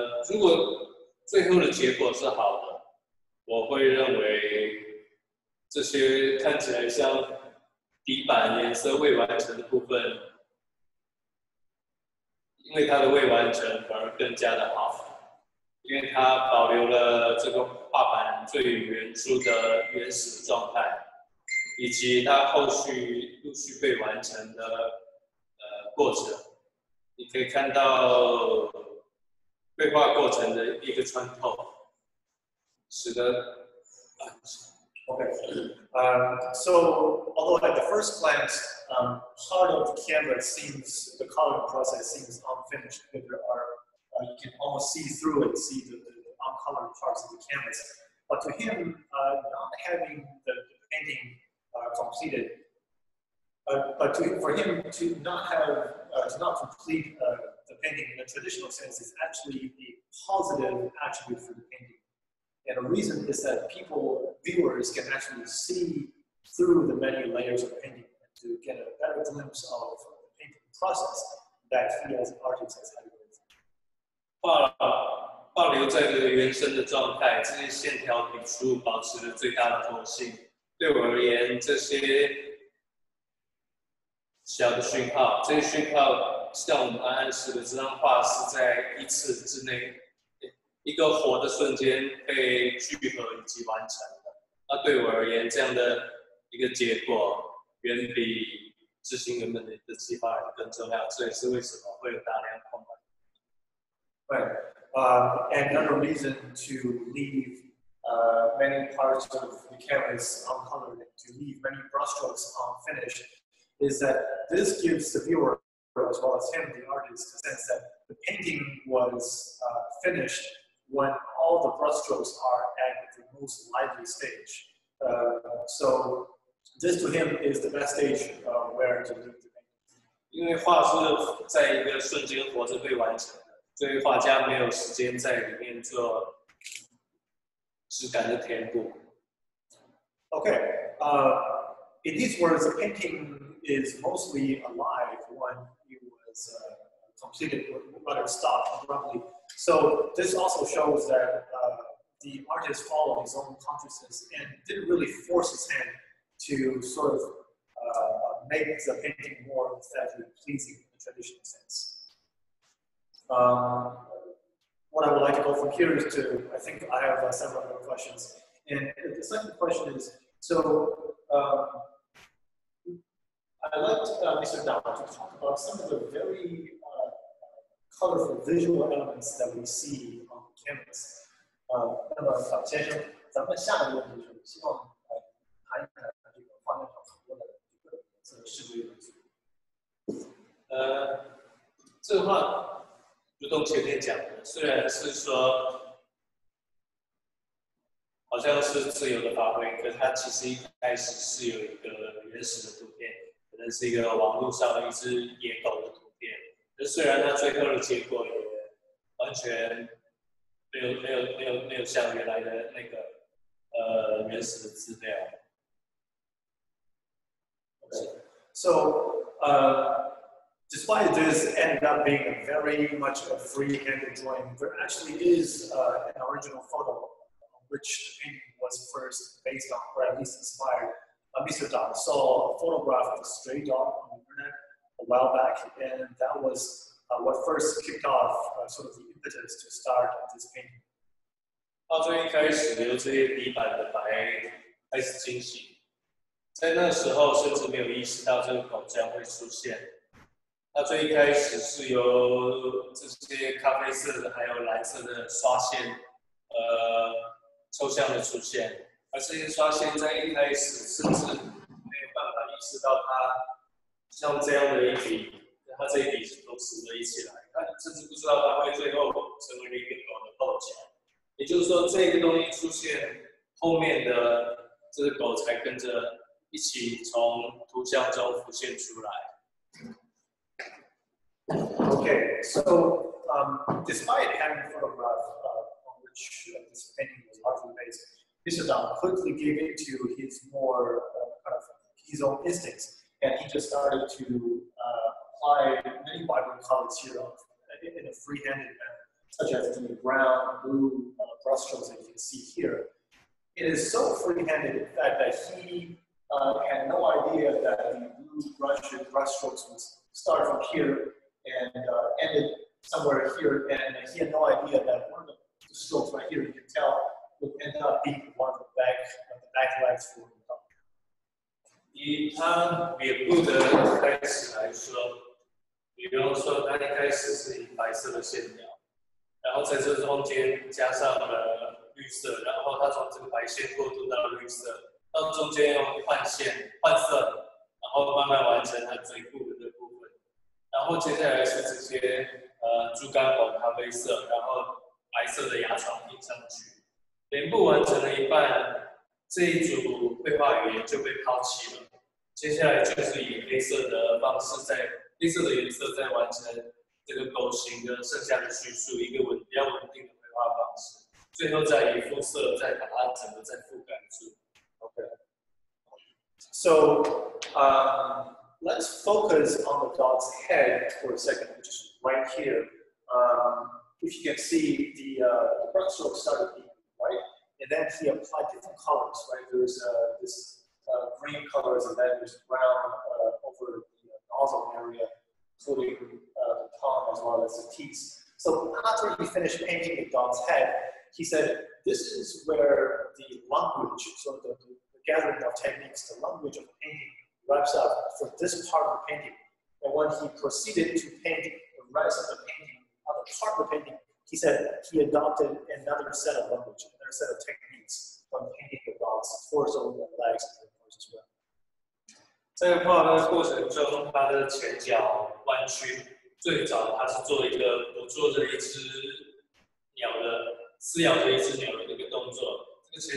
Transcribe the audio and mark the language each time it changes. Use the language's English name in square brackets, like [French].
[Chinese] 如果最后的结果是好的，我会认为这些看起来像底板颜色未完成的部分，因为它的未完成反而更加的好，因为它保留了这个画板最原初的原始状态。以及它后续陆续被完成的过程，你可以看到绘画过程的一个穿透，使得 [English] So although at the first glance, part of the canvas seems the coloring process seems unfinished, but there are you can almost see through it, see the uncolored parts of the canvas. But to him, not having the painting. Completed, but to not complete the painting in the traditional sense is actually a positive attribute for the painting. And the reason is that viewers can actually see through the many layers of painting to get a better glimpse of the painting process that he as an artist has had with. [Chinese] 画留在这个原生的状态，这些线条笔触保持了最大的透性。对我而言，这些小的讯号，这些讯号像我们安安使的这张画是在一次之内，一个活的瞬间被聚合以及完成的。那对我而言，这样的一个结果远比执行原本的计划更重要，这也是为什么会有大量空白。 [English] Right, another reason to leave. Many parts of the canvas uncolored, to leave many brushstrokes unfinished, is that this gives the viewer, as well as him, the artist, the sense that the painting was finished when all the brushstrokes are at the most lively stage. So this to him is the best stage where to do the painting. [Chinese] 因为画是在一个瞬间活着被完成的，所以画家没有时间在里面做质感的填补。 [English] Okay, in these words, the painting is mostly alive when it was completed, but it stopped abruptly. So this also shows that the artist followed his own consciousness and didn't really force his hand to sort of make the painting more aesthetically pleasing in the traditional sense. What I would like to go from here is to, I think I have several other questions. And the second question is, so I'd like Mr. Dao to talk about some of the very colorful visual elements that we see on the canvas. [Chinese] 那么小先生，咱们下一个问题就是希望谈一谈这个画面上很多的一个这个视觉元素。这个画如同前面讲的，虽然是说好像是自由的发挥，可它其实一开始是有一个原始的图片，可能是一个网络上一只野狗的图片。那虽然它最后的结果也完全没有像原来的那个原始的资料。 [English] Okay. So, despite this ended up being a very much a freehand drawing, there actually is an original photo. Which painting was first based on, or at least inspired. Mr. Dao saw a photograph of a stray dog on the internet a while back, and that was what first kicked off sort of the impetus to start this painting. [Chinese] 画作一开始由这些底板的白开始进行，在那时候甚至没有意识到这个狗将会出现。画作一开始是由这些咖啡色的还有蓝色的刷线，抽象的出现，而这些刷线在一开始甚至没有办法意识到它像这样的一笔，它这一笔是都组合起来，它甚至不知道它会最后成为了一个狗的构件。也就是说，这个东西出现后面的这只狗才跟着一起从图像中浮现出来。 [English] Okay, so despite having a photograph on which this painting. Mr. Dao quickly gave in to his more kind of his own instincts, and he just started to apply many vibrant colors here in a free-handed manner, such as the brown, blue brushstrokes that you can see here. It is so free-handed in fact that he had no idea that the blue brushstrokes would start from here and ended somewhere here, and he had no idea that one of the strokes right here, you can tell. Would end up being one of the backlights for the dog. [Chinese] 以他脸部的开始来说，比如说他一开始是以白色的线条，然后在这中间加上了绿色，然后他从这个白线过渡到绿色，到中间又换线换色，然后慢慢完成他嘴部的这部分，然后接下来是直接猪肝黄咖啡色，然后白色的牙床印上去。脸部完成了一半，这一组绘画语言就被抛弃了。接下来就是以黑色的方式在，黑色的颜色在完成这个狗形的剩下的叙述，一个比较稳定的绘画方式。最后再以肤色再把它整个再覆盖住。 [English] OK. So, let's focus on the dog's head for a second, which is right here. If you can see, the brush stroke started. And then he applied different colors, right? There's this green color, and then there's brown over the nozzle area, including the tongue as well as the teeth. So after he finished painting the dog's head, he said, this is where the language, sort of the gathering of techniques, the language of painting wraps up for this part of the painting. And when he proceeded to paint the rest of the painting, other part of the painting,He said he adopted another set of language, another set of techniques from painting the dog's torso and legs and arms as well. [Chinese] 在画的过程中，他的前脚弯曲。最早他是做一个捕捉着一只鸟的撕咬着一只鸟的一个动作。这